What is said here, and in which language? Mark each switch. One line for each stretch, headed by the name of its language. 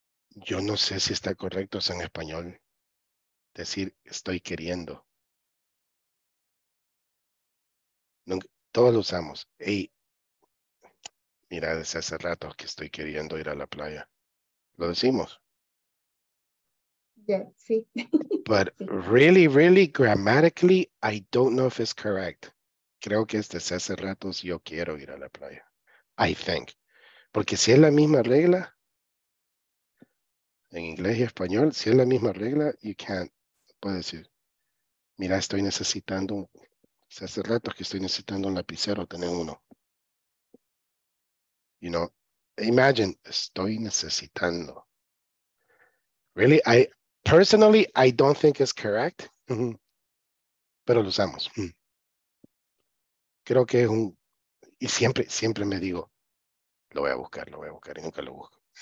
Spanish: Yo no sé si está correcto en español decir estoy queriendo. Nunca, todos lo usamos. Hey, mira, desde hace rato que estoy queriendo ir a la playa. ¿Lo decimos?
English: Yes. Yeah, sí. But really, really, grammatically, I don't know if it's correct.
Spanish: Creo que este hace ratos yo quiero ir a la playa.
English: I think.
Spanish: Porque si es la misma regla, en inglés y español, si es la misma regla,
English: you can't,
Spanish: puedes decir, mira, estoy necesitando, hace ratos que estoy necesitando un lapicero, tener uno.
English: You know, imagine,
Spanish: estoy necesitando.
English: Really, I, personally, I don't think it's correct, pero lo usamos.
Spanish: Creo que es un, y siempre, siempre me digo, lo voy a buscar, y nunca lo busco.